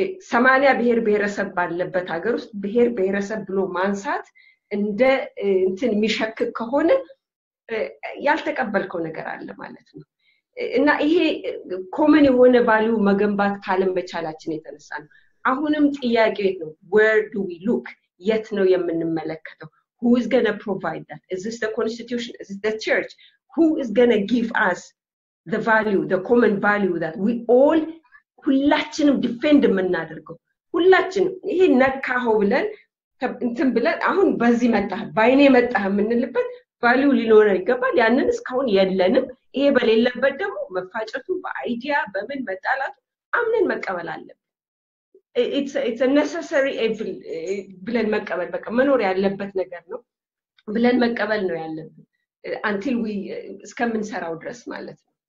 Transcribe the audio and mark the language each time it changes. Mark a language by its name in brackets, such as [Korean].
[Amharic] 80 ብሔር ብሔረሰብ ባለበት ሀገር ውስጥ ብሔር ብሔረሰብ ብሎ ማንሳት እንደ እንትን የሚሸክ ከሆነ ያልተቀበልከው ነገር አለ ማለት ነው። እና ይሄ ኮመን የሆነ ቫልዩ መገንባት ካለም በቻላችን የተነሳ ነው። አሁንም ጥያቄ ነው [English] where do we look [Amharic] የት ነው የምንመለከተው? [English] Who is going to provide that? Is this the constitution? Is this the church? Who is going to give us the value, the common value that we all [Amharic] ሁላችንም ዲፌንድ የምናደርገው? ሁላችንም ይሄ ነካው ብለን እንትን ብለን አሁን በዚህ መጣህ ባይኔ መጣህ የምንልበት ቫልዩ ሊኖር ይገባል። ያንን እስካሁን የለንም። ይሄ በሌለበት ደግሞ መፋጨቱ በአይዲያ በምን መጣላቱ አምነን መቀበል አለብን። [English] it's a necessary evil [Amharic] ብለን መቀበል በቃ መኖር ያለበት ነገር ነው ብለን መቀበል ነው ያለብን [English] until we [Amharic] እስከምንሰራው ድረስ ማለት ነው።